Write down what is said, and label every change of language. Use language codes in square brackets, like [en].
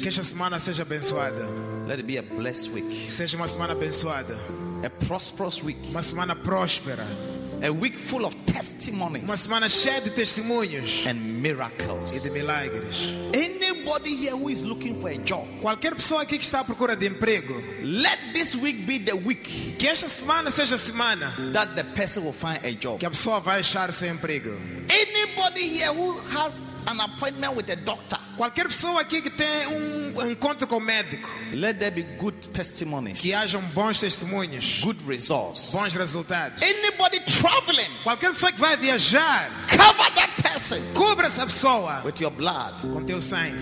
[pt] Que esta semana seja abençoada. [en] Let it be a blessed week. [pt] Que seja uma semana abençoada. [en] A prosperous week. [pt] Uma semana próspera. [en] A week full of testimonies. [pt] Uma semana cheia de testemunhos. [en] And miracles. [pt] E de milagres. [en] Anybody here who is looking for a job. [pt] Qualquer pessoa aqui que está à procura de emprego. [en] Let this week be the week. [pt] Que esta semana seja a semana. [en] That the person will find a job. [pt] Que a pessoa vai achar seu emprego. [en] Anybody here who has an appointment with a doctor. [pt] Qualquer pessoa aqui que tem encontro com o médico. [en] Let there be good testimonies. [pt] Que haja bons testemunhos. [en] Good results. [pt] Bons resultados. [en] Anybody traveling. [pt] Qualquer pessoa que vai viajar. [en] Cover that person. [pt] Cubra essa pessoa. [en] With your blood. [pt] Com teu sangue.